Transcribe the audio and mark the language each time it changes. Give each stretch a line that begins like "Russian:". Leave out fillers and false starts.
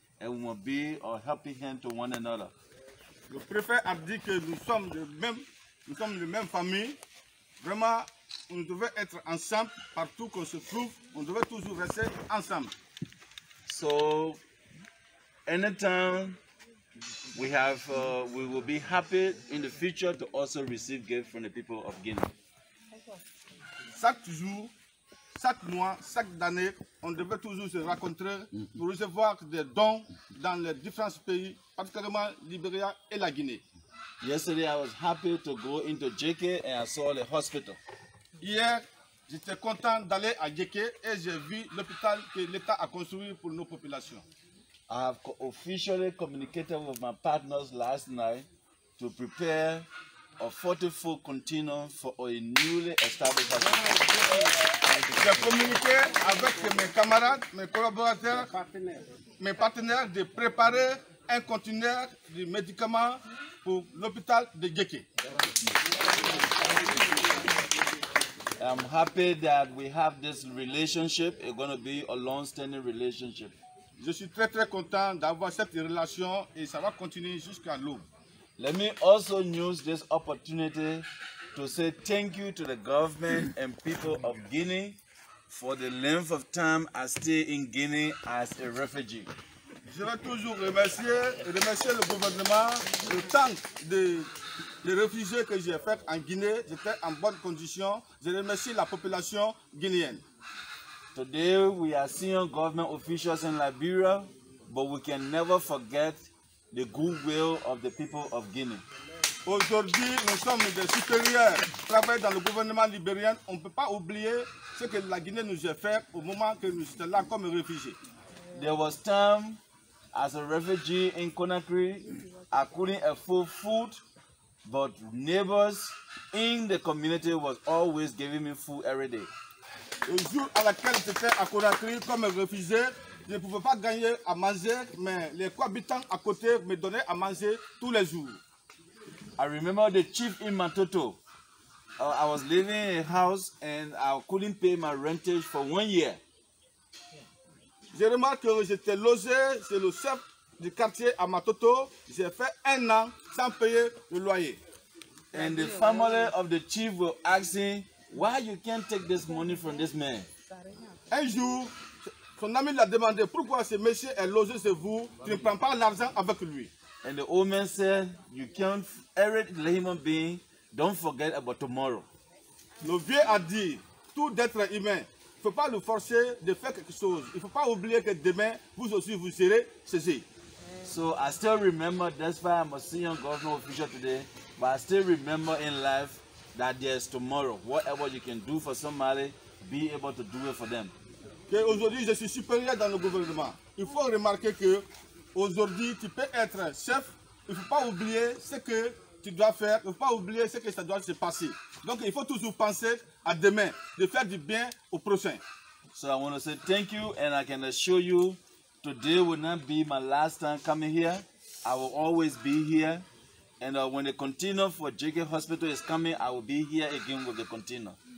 English: And we will be a helping hand to one another.
French: Le préfet a dit que nous sommes de même famille. Vraiment, on devait être ensemble partout qu'on se trouve. On devait toujours rester ensemble.
English: So, anytime we have, we will be happy in the future to also receive gifts from the people of Guinea.
French: Chaque jour, chaque mois, chaque année, on devait toujours se rencontrer pour recevoir des dons dans les différents pays, particulièrement Liberia et la Guinée.
English: Yesterday, I was happy to go into Djeke and I saw the hospital.
French: Hier, j'étais content d'aller à Djeke et j'ai vu l'hôpital que l'État a construit pour nos populations.
English: I have officially communicated with my partners last night to prepare a 40-foot container for a newly established hospital.
French: J'ai communiqué avec mes camarades, mes collaborateurs, mes partenaires de préparer un conteneur de médicaments pour l'hôpital de Djeke.
English: I'm happy that we have this relationship. It's going to be a long-standing relationship.
French: Je suis très très content d'avoir cette relation et ça va continuer jusqu'à l'aube.
English: Let me also use this opportunity to say thank you to the government and people of Guinea for the length of time I stay in Guinea as a refugee.
French: Je vais toujours remercier le gouvernement le temps de réfugiés que j'ai fait en Guinée. J'étais en bonne condition. Je remercie la population guinéenne.
English: Today we are seeing government officials in Liberia, but we can never forget the goodwill of the people of Guinea.
French: Aujourd'hui, nous sommes des supérieurs qui travaillent dans le gouvernement libérien. On ne peut pas oublier ce que la Guinée nous a fait au moment que nous étions là comme réfugiés.
English: There was time as a refugee in Conakry, I couldn't afford food, but neighbors in the community was always giving me food every day.
French: Le jour à laquelle j'étais à Conakry comme réfugié, je ne pouvais pas gagner à manger, mais les cohabitants à côté me donnaient à manger tous les jours.
English: I remember the chief in Matoto. I was living in a house and I couldn't pay my rentage for 1 year.
French: Je remarque que j'étais logé, c'est le chef du quartier à Matoto. J'ai fait 1 an sans payer le loyer.
English: And the family of the chief were asking, why you can't take this money from this man?
French: Un jour, son ami l'a demandé, pourquoi ce monsieur est logé chez vous, tu ne prends pas l'argent avec lui?
English: And the old man said, you can't hurt the human being, don't forget about tomorrow.
French: Le vieux a dit, tout être humain, il ne faut pas le forcer de faire quelque chose. Il ne faut pas oublier que demain, vous aussi, vous serez saisi.
English: So I still remember, that's why I'm a senior government official today, but I still remember in life that there's tomorrow. Whatever you can do for somebody, be able to do it for them.
French: Que aujourd'hui je suis supérieur dans le gouvernement. Il faut remarquer que aujourd'hui tu peux être chef. Il faut pas oublier ce que tu dois faire. Il faut pas oublier ce que ça doit se passer. Donc il faut toujours penser à demain, de faire du bien au prochain.
English: So I want to say thank you, and I can assure you, today will not be my last time coming here. I will always be here. And when the container for JK Hospital is coming, I will be here again with the container.